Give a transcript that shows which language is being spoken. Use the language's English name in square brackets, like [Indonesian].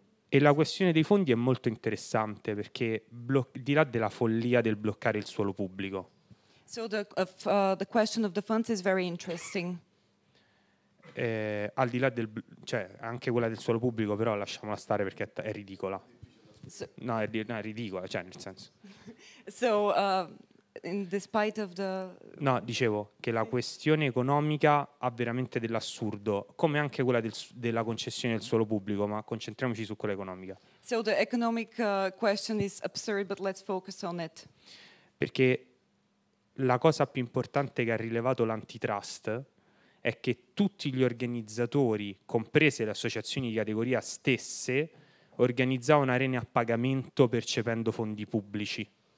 [Italian] E la questione dei fondi è molto interessante perché di là della follia del bloccare il suolo pubblico. [English] So the question of the funds is very interesting. [Italian] Al di là del, cioè anche quella del suolo pubblico, però lasciamola stare perché è ridicola. È ridicola, cioè nel senso. [English] So, in despite of the. [Italian] No, dicevo che la questione economica ha veramente dell'assurdo, come anche quella della concessione del suolo pubblico, ma concentriamoci su quella economica. [English] So the economic question is absurd, but let's focus on it. [Italian] Perché la cosa più importante che ha rilevato l'antitrust è che tutti gli organizzatori, comprese le associazioni di categoria stesse, organizzavano arene a pagamento percependo fondi pubblici.